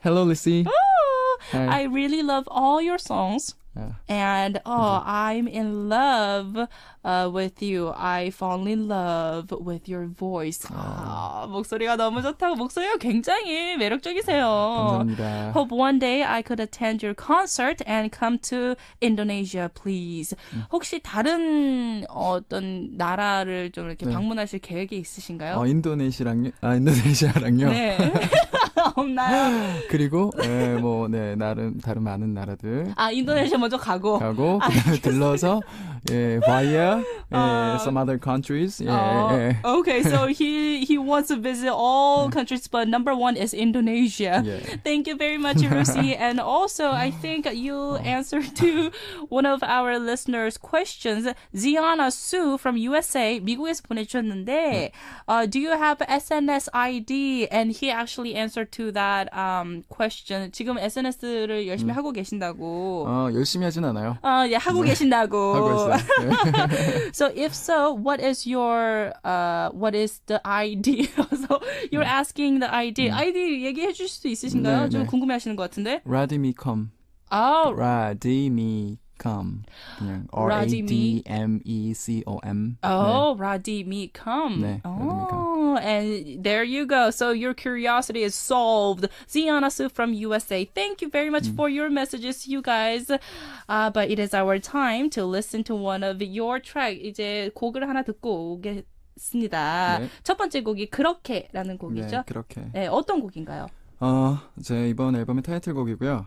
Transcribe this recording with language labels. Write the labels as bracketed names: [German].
[English] Hello, Rusi. Oh, I really love all your songs. Yeah. And oh, okay. I'm in love with you. I fall in love with your voice. [Korean] Oh. 아, 목소리가 너무 좋다고. 목소리가 굉장히 매력적이세요. 감사합니다. [English] Hope one day I could attend your concert and come to Indonesia, please. [Korean] 혹시 다른 어떤 나라를 좀 이렇게 네. 방문하실 계획이 있으신가요? 어, 인도네시아랑요. 아, 인도네시아랑요. 네. 없나요? 그리고 네, 뭐 네, 다른 많은 나라들. 아, 인도네시아 먼저 가고 가고 들러서 예, [English] via some other countries. [Korean] 예, 예. [English] Okay, so he wants to visit all countries, but number one is Indonesia. Yeah. Thank you very much, Rusi. And also, I think you answered to one of our listeners' questions. Ziana Su from USA, [Korean] 미국에서 보내주셨는데, [English] do you have SNS ID? And he actually answered to that question. [Korean] 지금 SNS를 열심히 하고 계신다고. 열심히 하진 않아요. 예, 하고 계신다고. 하고 [English] So if so, what is your what is the ID? So you're [Korean] 네. [English] asking the ID. 네. [Korean] ID 얘기해 주실 수 있으신가요? 네, 좀 네. 궁금해 하시는 것 같은데. [English] Ra.D me come. Oh. Ra.D me come. [Korean] 그냥 [English] R-A-D-M-E-C-O-M. Oh, [Korean] 네. [English] Ra.D me come. [Korean] 네. [English] And there you go. So your curiosity is solved. Ziana Su from USA. Thank you very much for your messages, you guys. But it is our time to listen to one of your tracks. [Korean] 이제 곡을 하나 듣고 오겠습니다. 네. 첫 번째 곡이 그렇게라는 곡이죠? 네, 그렇게. 네, 어떤 곡인가요? 제 이번 앨범의 타이틀곡이고요.